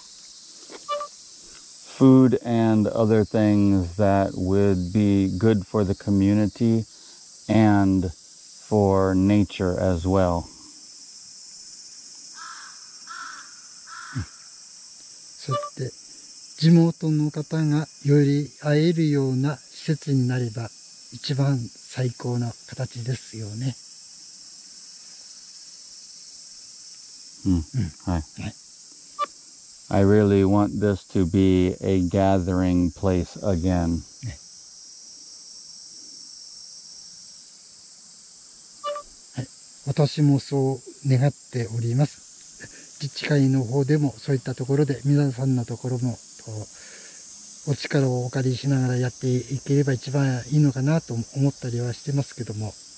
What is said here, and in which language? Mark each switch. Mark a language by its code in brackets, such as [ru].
[en] Food and other things that would be good for the community and for nature as well. [ja] そして地元の方がより会えるような施設になれば一番最高な形ですよね。 [en] I really want this to be a gathering place again. [ja] はい、私もそう願っております。自治会の方でもそういったところで皆さんのところもお力をお借りしながらやっていければ一番いいのかなと思ったりはしてますけども。